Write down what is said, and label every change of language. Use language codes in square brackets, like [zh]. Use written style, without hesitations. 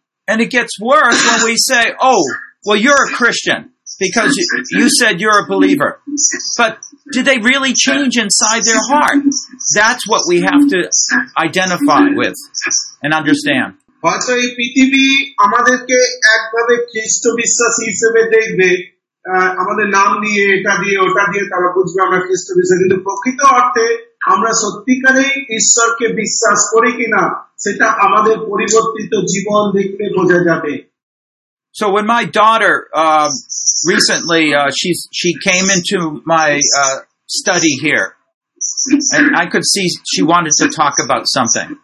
[en] And it gets worse when we say, oh, well, you're a Christian because you said you're a believer. But do they really change inside their heart? That's what we have to identify with and understand. [bn] হয়তো এই পৃথিবী আমাদেরকে একভাবে খ্রিস্ট বিশ্বাসী হিসেবে দেখবে, আমাদের নাম নিয়ে এটা দিয়ে ওটা দিয়ে তারা বুঝবে আমরা খ্রিস্ট বিশ্বাসী, কিন্তু প্রকৃত অর্থে আমরা সত্যিকারেই ঈশ্বরকে বিশ্বাস করি কিনা সেটা আমাদের পরিবর্তিত জীবন দেখলে বোঝা যাবে। [en] So when my daughter recently she came into my study here and I could see she wanted to talk about something.